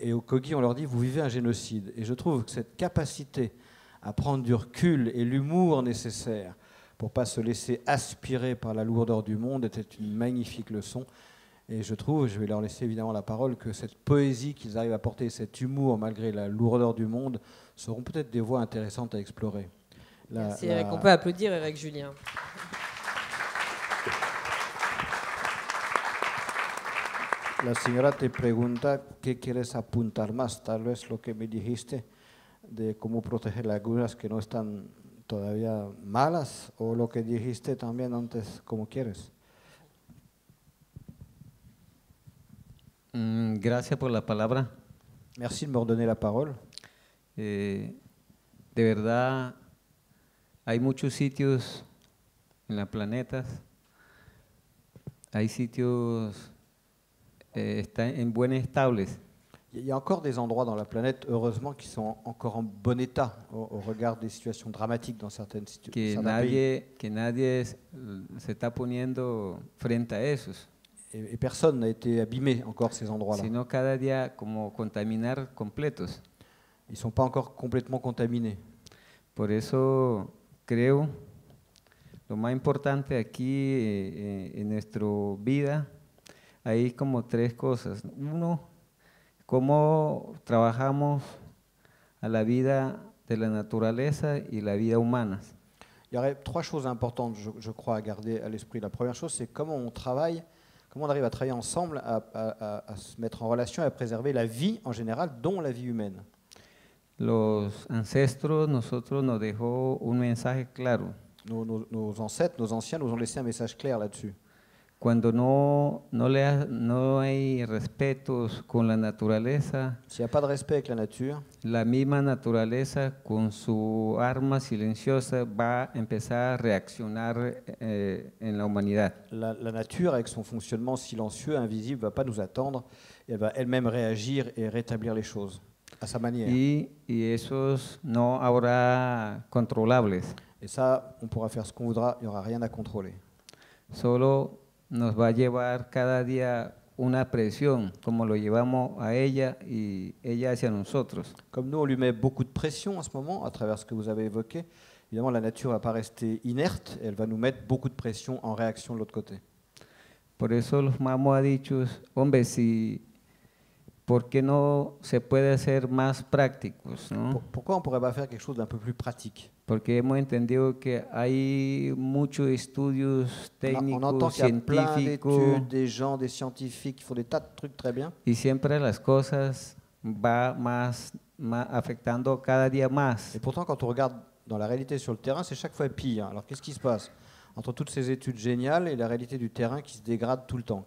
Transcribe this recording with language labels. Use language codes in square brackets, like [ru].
[fr] Et aux Cogi, on leur dit « Vous vivez un génocide ». Et je trouve que cette capacité à prendre du recul et l'humour nécessaire pour pas se laisser aspirer par la lourdeur du monde était une magnifique leçon. Et je trouve, je vais leur laisser évidemment la parole, que cette poésie qu'ils arrivent à porter, cet humour malgré la lourdeur du monde, seront peut-être des voies intéressantes à explorer. Merci Eric. On peut applaudir Eric Julien. [es] La señora te pregunta qué quieres apuntar más, tal vez lo que me dijiste de cómo proteger lagunas que no están todavía malas, o lo que dijiste también antes, como quieres. Gracias por la palabra. [fr] Merci de me redonner la parole. [es] De verdad, hay muchos sitios en la planeta. Hay sitios están en buen estables. [fr] Il y a encore des endroits dans la planète, heureusement, qui sont encore en bon état au regard des situations dramatiques dans certaines situations. [es] Que nadie se está poniendo frente a esos. [fr] Et personne n'a été abîmé encore ces endroits-là. [es] Sino cada día como contaminar completos. [fr] Ils ne sont pas encore complètement contaminés. [es] Por eso creo lo más importante aquí en nuestra vida hay como tres cosas. Uno, cómo trabajamos a la vida de la naturaleza y la vida humana. [fr] Il y aurait trois choses importantes, je crois, à garder à l'esprit. La première chose, c'est comment on travaille. Comment on arrive à travailler ensemble, à se mettre en relation et à préserver la vie en général, dont la vie humaine. [es] Los ancestros, nosotros nos dejó un mensaje claro. [fr] Nos ancêtres, nos anciens, nous ont laissé un message clair là-dessus. [es] Cuando no hay respetos con la naturaleza. [fr] S'il n'y a pas de respect avec la nature. [es] La misma naturaleza con su arma silenciosa va a empezar a reaccionar en la humanidad. [fr] La nature avec son fonctionnement silencieux, invisible, va pas nous attendre. Elle va elle-même réagir et rétablir les choses. À sa manière. [es] Y esos no habrá controlables. [fr] Et ça, on pourra faire ce qu'on voudra, il n'y aura rien à contrôler. [es] Solo nos va a llevar cada día una presión, como lo llevamos a ella y ella hacia nosotros. [fr] Comme nous, on lui met beaucoup de pression en ce moment, à travers ce que vous avez évoqué. Évidemment, la nature ne va pas rester inerte, elle va nous mettre beaucoup de pression en réaction de l'autre côté. [es] Por eso los mamos ha dicho, hombre, si... ¿Por qué no se puede hacer más prácticos, no? [fr] Pourquoi on ne pourrait pas faire quelque chose d'un peu plus pratique? [es] Porque hemos entendido que hay muchos estudios técnicos, científicos. [fr] On entend qu'il y a plein d'études, des gens, des scientifiques qui font des tas de trucs très bien. [es] Y siempre las cosas van afectando cada día más. [fr] Et pourtant, quand on regarde dans la réalité sur le terrain, c'est chaque fois pire. Alors, qu'est-ce qui se passe entre toutes ces études géniales et la réalité du terrain qui se dégrade tout le temps?